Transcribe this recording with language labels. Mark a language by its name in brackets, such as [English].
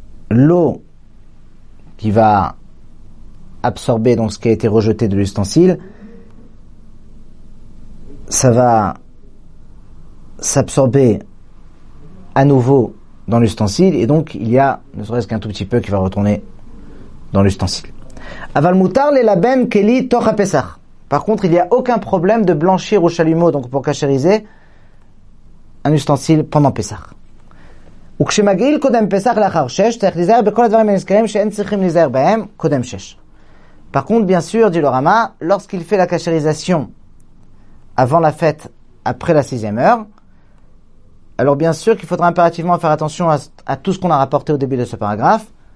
[French] l'eau qui va absorber donc ce qui a été rejeté de l'ustensile, ça va s'absorber à nouveau dans l'ustensile et donc il y a ne serait-ce qu'un tout petit peu qui va retourner dans l'ustensile. [Hebrew] Aval mutar le labem keli toch ha-pesach. [French] Par contre, il n'y a aucun problème de blanchir au chalumeau, donc pour cachériser un ustensile pendant Pessah. [Hebrew] וכשמגיל קודם פסח לאחר שש, צריך להיזהר בכל הדברים הנזכרים שאין צריכים להיזהר בהם, קודם שש. [French] Par contre, bien sûr, dit le Rama, lorsqu'il fait la cachérisation avant la fête, après la sixième heure, alors bien sûr qu'il faudra impérativement faire attention à tout ce qu'on a rapporté au début de ce paragraphe.